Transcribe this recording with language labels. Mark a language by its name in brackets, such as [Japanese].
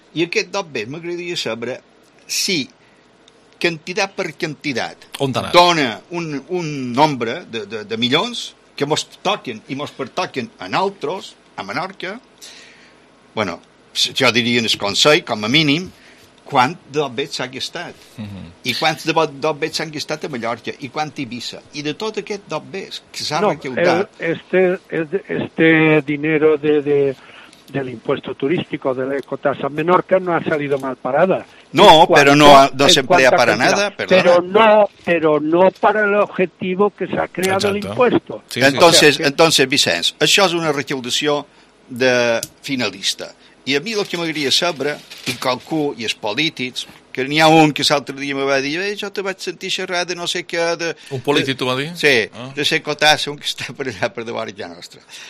[Catalan] I aquest dobbes m'agradaria saber si quantitat per quantitat dona un nombre de milions que mos toquen i mos pertoquen a nosaltres, a Menorca, bueno, jo diria en el Consell, com a mínim, quant de dobbets s'ha gastat. I quants de dobbets s'han gastat a Mallorca i quant a Eivissa. I de tot aquest dobbets que s'ha recaudat... [Spanish] Este dinero del impuesto turístico, de la ecotasa en Menorca, no ha salido mal parada. No, pero no se emplea para nada. Pero no para el objetivo que se ha creado. Exacto. El impuesto. Sí, entonces, [Catalan] Vicenç, això és una recaudació de finalista. I a mi el que m'agradaria saber, i qualcú, i els polítics, que n'hi ha un que l'altre dia me va dir, jo te vaig sentir xerrar de no sé què... Un polític t'ho va dir? Sí, de ser ecotasa, un que està per allà, per davant ja nostra.